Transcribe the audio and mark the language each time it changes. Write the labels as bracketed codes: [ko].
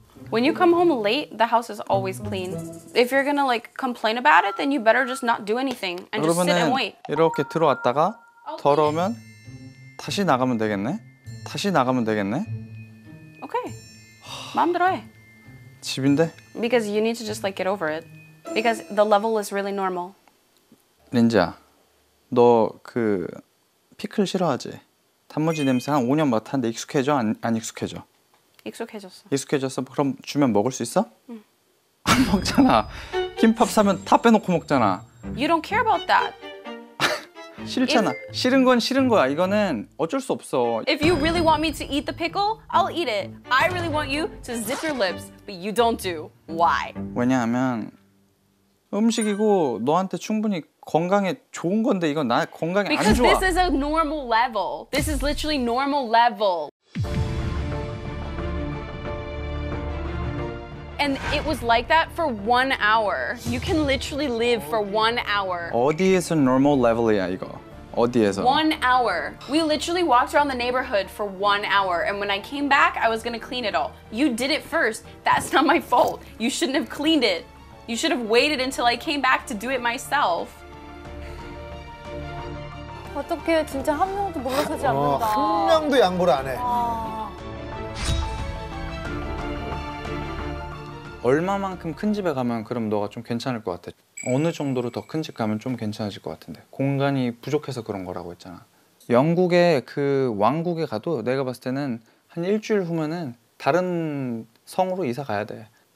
[en] When you come home late, the house is always clean. If you're gonna like complain about it, then you better just not do anything and just sit and wait. [ko] 이렇게 들어왔다가 더러우면 다시 나가면 되겠네. 다시 나가면 되겠네. Okay. 마음 들어해. 집인데? [en] Because you need to just like get over it. Because the level is really normal. [ko] 린지야, 너 그 피클 싫어하지? 단무지 냄새 한 5년 맡았는데 익숙해져? 안 익숙해져? 익숙해졌어. 익숙해졌어? 그럼 주면 먹을 수 있어? 응. 안 먹잖아. 김밥 사면 다 빼놓고 먹잖아. [en] You don't care about that. [ko] 싫잖아. If, 싫은 건 싫은 거야. 이거는 어쩔 수 없어. [en] If you really want me to eat the pickle, I'll eat it. I really want you to zip your lips, but you don't do. Why? [ko] 왜냐하면 음식이고 너한테 충분히 건강에 좋은 건데 이건 나 건강에 [en] Because [ko] 안 좋아. [en] Because this is a normal level. This is literally normal level. And it was like that for 1 hour. You can literally live for 1 hour. [ko] 어디에서 [en] normal level [ko] 이야 이거? 어디에서? [en] 1 hour. We literally walked around the neighborhood for 1 hour. And when I came back, I was gonna clean it all. You did it first. That's not my fault. You shouldn't have cleaned it. You should have waited until I came back to do it myself. [ko] 어떡해, 진짜 한 명도 물러서지 않는다. 한 명도 양보를 안 해. 얼마만큼 큰 집에 가면 그럼 너가 좀 괜찮을 것 같아. 어느 정도로 더 큰 집 가면 좀 괜찮아질 것 같은데. 공간이 부족해서 그런 거라고 했잖아. 영국의 그 왕국에 가도 내가 봤을 때는 한 일주일 후면은 다른 성으로 이사 가야 돼.